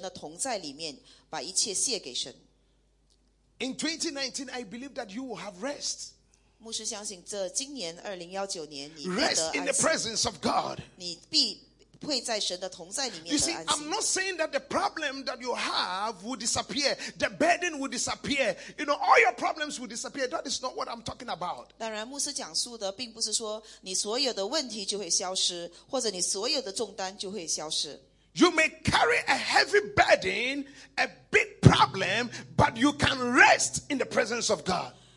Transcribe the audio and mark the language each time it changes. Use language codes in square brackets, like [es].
[zh] 安息呢，并不是你吃的食物有多好，或者你去什么好的地方玩，而是你必须在神的同在里面把一切卸给神。 [en] In 2019, I believe that you will have rest. [zh] 牧师相信这今年2019年你 [en] rest in the presence of God. [zh] 你必会在神的同在里面得安息。 [en] You see, I'm not saying that the problem that you have will disappear, the burden will disappear, you know, all your problems will disappear. That is not what I'm talking about. [zh] 当然牧师讲述的并不是说你所有的问题就会消失，或者你所有的重担就会消失。 [en] You may carry a heavy burden, a big problem, but you can rest in the presence of God.